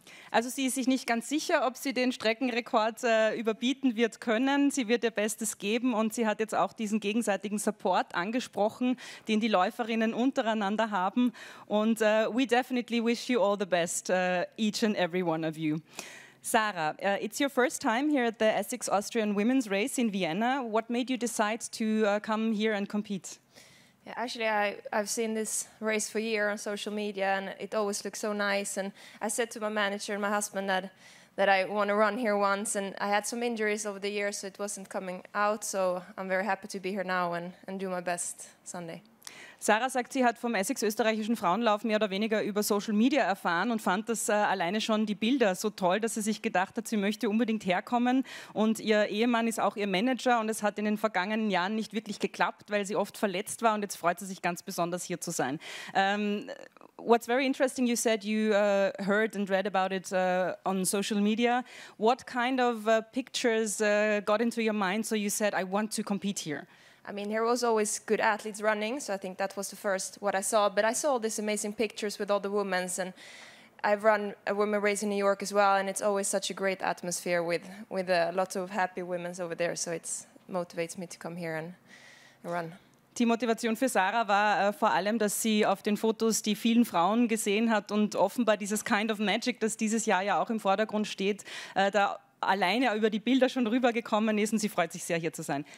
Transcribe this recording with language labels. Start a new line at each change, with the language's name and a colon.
German: Also sie ist sich nicht ganz sicher, ob sie den Streckenrekord überbieten wird können. Sie wird ihr Bestes geben und sie hat jetzt auch diesen gegenseitigen Support angesprochen, den die Läuferinnen untereinander haben.
English: Und we definitely wish you all the best, each and every one of you. Sarah, it's your first time here at the Essex Austrian Women's Race in Vienna. What made you decide to come here and compete? Actually, I've seen this race for a year on social media, and it always looks so nice. And I said to my manager and my husband that I want to run here once. And I had some injuries over the years, so it wasn't coming out. So I'm very happy to be here now and do my best Sunday.
German: Sarah sagt, sie hat vom Essex österreichischen Frauenlauf mehr oder weniger über Social Media erfahren und fand das alleine schon die Bilder so toll, dass sie sich gedacht hat, sie möchte unbedingt herkommen. Und ihr Ehemann ist auch ihr Manager und es hat in den vergangenen Jahren nicht wirklich geklappt, weil sie oft verletzt war und jetzt freut sie sich ganz besonders, hier zu sein.
English: What's very interesting, you said you heard and read about it on social media. What kind of pictures got into your mind, so you said, I want to compete here? I mean, there was always good athletes running, so I think that was the first what I saw. But I saw all these amazing pictures with all the women, and I've run a women race in New York as well, and it's always such a great atmosphere with lots of happy women over there, so it motivates me to come here and run.
German: Die Motivation für Sarah war vor allem, dass sie auf den Fotos die vielen Frauen gesehen hat und offenbar dieses
English: Kind of Magic,
German: das dieses Jahr ja auch im Vordergrund steht, da alleine über die Bilder schon rübergekommen ist und sie freut sich sehr, hier zu sein.